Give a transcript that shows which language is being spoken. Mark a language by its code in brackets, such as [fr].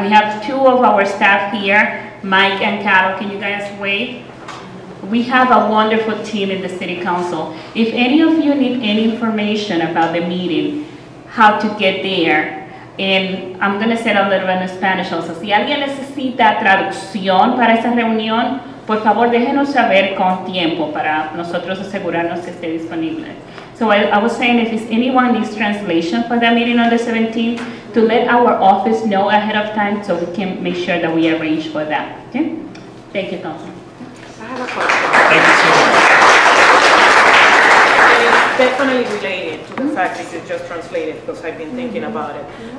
[en] We have two of our staff here, Mike and Carol. Can you guys wave? We have a wonderful team in the City Council. If any of you need any information about the meeting, how to get there, and I'm going to say it a little in Spanish also. [es] Si alguien necesita traducción para esa reunión, por favor, déjenos saber con tiempo para nosotros asegurarnos que esté disponible. [en] So I was saying, if anyone needs translation for that meeting on the 17th, to let our office know ahead of time so we can make sure that we arrange for that. Okay? Thank you, Council. I have a question. Thank you so much. Definitely related to the fact that you just translated, because I've been thinking about it. Yeah.